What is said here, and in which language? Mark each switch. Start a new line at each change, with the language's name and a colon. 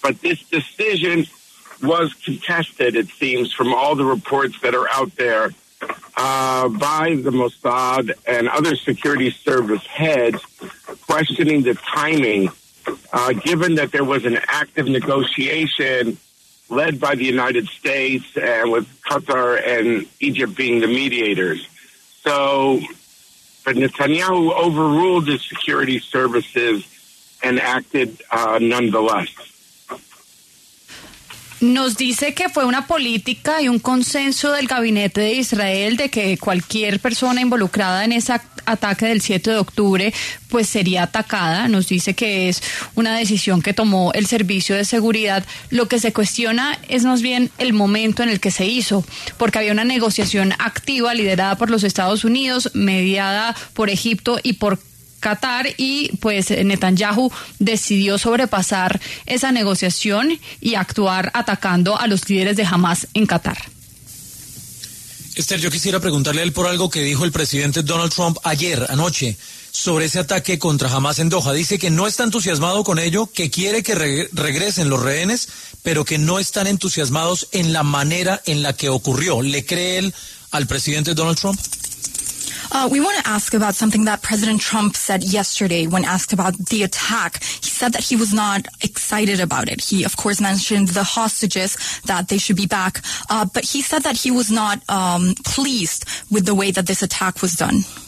English: But this decision was contested, it seems, from all the reports that are out there by the Mossad and other security service heads questioning the timing, given that there was an active negotiation led by the United States and with Qatar and Egypt being the mediators. So, but Netanyahu overruled the security services and acted nonetheless.
Spanish: Nos dice que fue una política y un consenso del gabinete de Israel de que cualquier persona involucrada en ese ataque del 7 de octubre pues sería atacada. Nos dice que es una decisión que tomó el servicio de seguridad. Lo que se cuestiona es más bien el momento en el que se hizo, porque había una negociación activa liderada por los Estados Unidos, mediada por Egipto y por Qatar, y pues Netanyahu decidió sobrepasar esa negociación y actuar atacando a los líderes de Hamas en Qatar. Esther, yo quisiera preguntarle a él por algo que dijo el presidente Donald Trump ayer, anoche, sobre ese ataque contra Hamas en Doha. Dice que no está entusiasmado con ello, que quiere que regresen los rehenes, pero que no están entusiasmados en la manera en la que ocurrió. ¿Le cree él al presidente Donald Trump?
English: We want to ask about something that President Trump said yesterday when asked about the attack. He said that he was not excited about it. He, of course, mentioned the hostages, that they should be back. But he said that he was not pleased with the way that this attack was done.